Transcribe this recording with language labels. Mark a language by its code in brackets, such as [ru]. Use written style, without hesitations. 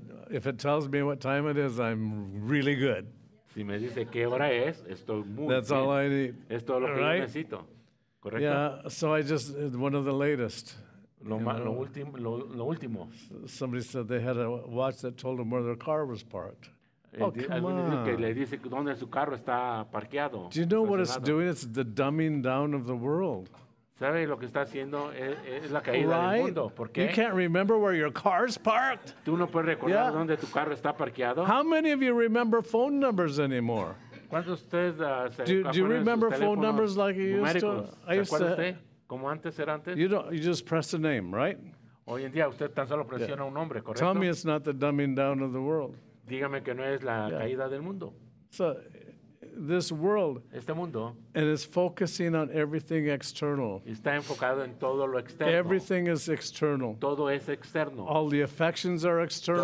[en] If it tells me what time it is, I'm really good. [es] Si me dice qué hora es, estoy muy [en] that's [es] bien. [en] All I need. [es] Es todo lo [en] right? [es] que necesito. Correcto. [en] Yeah, so I just one of the latest. [es] Lo último. [en] Somebody said they had a watch that told them where their car was parked. Oh, come on. [es] Que le dice dónde su carro está parqueado. [en] Do you know what it's doing? It's the dumbing down of the world. [es] ¿Sabe lo que está haciendo? Es la caída [en] right? [es] del mundo. ¿Por qué? [en] You can't remember where your car's parked. [es] ¿Tú no puedes recordar dónde tu carro está parqueado? [en] How many of you remember phone numbers anymore? [es] ¿Cuántos de ustedes se acuerdan sus teléfonos? [en] Do you remember phone numbers like you used to? [es] ¿Se acuerda usted? ¿Cómo antes era antes? [en] You just press a name, right? [es] Hoy en día usted tan solo presiona yeah. un nombre, ¿correcto? [en] Tell me it's not the dumbing down of the world. [es] Dígame que no es la yeah. caída del mundo. [en] So, this world [es] este mundo, [en] and is focusing on everything external. [es] Está enfocado en todo lo externo. [en] Everything is external. [es] Todo es externo. [en] All the affections are external.